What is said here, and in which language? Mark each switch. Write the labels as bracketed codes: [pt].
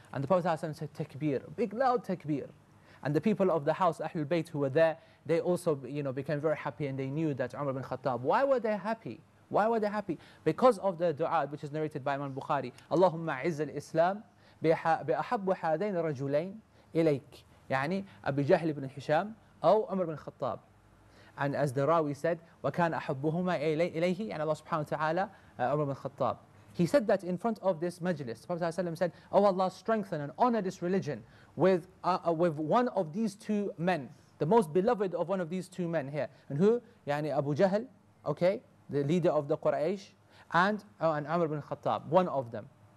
[en] And the Prophet ﷺ said, takbir, big loud takbir. And the people of the house, Ahlul Bayt, who were there, they also, you know, became very happy and they knew that Umar ibn Khattab. Why were they happy? Why were they happy? Because of the dua which is narrated by Imam Bukhari. [ar] Allahumma izzal Islam bi ahabbu hadain rajulain ilayk. يعني أبي جهل بن حشام أو عمر بن الخطاب. [en] And as the Rawi said, [ar] وكان أحبهما إليه يعني الله سبحانه وتعالى عمر بن الخطاب. [en] He said that in front of this majlis, Prophet صلى الله عليه وسلم said, Oh Allah, strengthen and honor this religion with one of these two men, the most beloved of one of these two men here. And who? يعني أبو جهل, okay, the leader of the Quraysh, and عمر بن الخطاب, one of them.